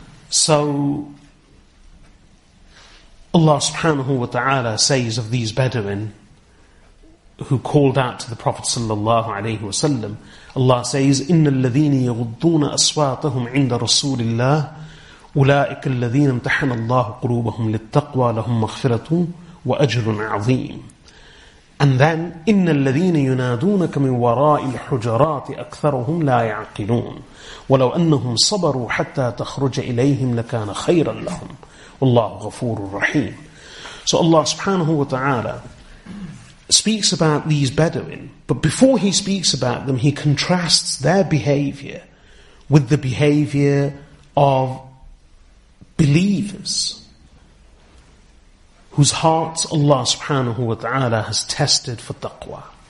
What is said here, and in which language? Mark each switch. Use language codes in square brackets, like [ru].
[en] So Allah subhanahu wa ta'ala says of these Bedouin who called out to the Prophet sallallahu alayhi wa sallam, Allah says, [ar] إِنَّ الَّذِينَ يَغُضُّونَ أَصْوَاتَهُمْ عِنْدَ رَسُولِ اللَّهِ أولئك الذين امتحن الله قلوبهم للتقوى لهم مغفرة وأجر عظيم. [en] And then, [ar] إن الذين ينادونك من وراء الحجرات أكثرهم لا يعقلون ولو أنهم صبروا حتى تخرج إليهم لكان خيرا لهم والله غفور رحيم. [en] So Allah subhanahu wa ta'ala speaks about these Bedouin, but before he speaks about them, he contrasts their behavior with the behavior of believers whose hearts Allah subhanahu wa ta'ala has tested for taqwa.